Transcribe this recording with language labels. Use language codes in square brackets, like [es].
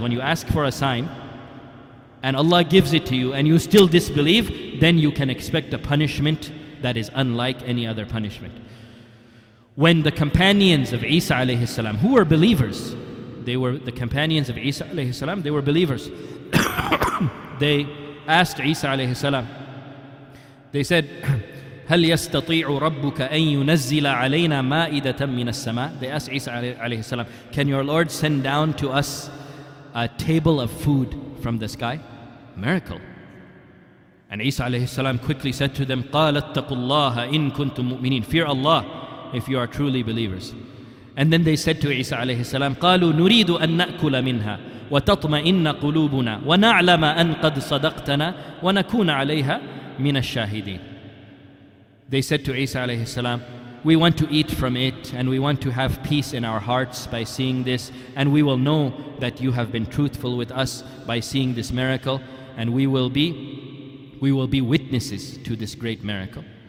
[en] When you ask for a sign and Allah gives it to you and you still disbelieve, then you can expect a punishment that is unlike any other punishment. When the companions of Isa alayhi salam, who were believers, they were the companions of Isa alayhi salam, they were believers. They asked Isa alayhi salam, they said, [ar] هَلْ يَسْتَطِيعُ رَبُّكَ أَن يُنَزِّلَ عَلَيْنَا مَائِدَةً مِّنَ السَّمَاءِ. [en] They asked Isa alayhi salam, can your Lord send down to us a table of food from the sky? Miracle. And Isa alayhi salam quickly said to them, [ar] قَالَ اتَّقُوا اللَّهَ إِن كُنْتُم مُؤْمِنِينَ. [en] Fear Allah if you are truly believers. And then they said to Isa alayhi salam, [ar] قَالُوا نُرِيدُ أَن نَأْكُلَ مِنْهَا وَتَطْمَئِنَّ قُلُوبُنَا وَنَعْلَمَ أَن قَدْ صَدَقْتَنَا وَنَكُونَ عَلَيْهَا مِنَ الشَّاهِدِينَ. [en] They said to Isa alayhi salam, we want to eat from it and we want to have peace in our hearts by seeing this, and we will know that you have been truthful with us by seeing this miracle, and we will be witnesses to this great miracle.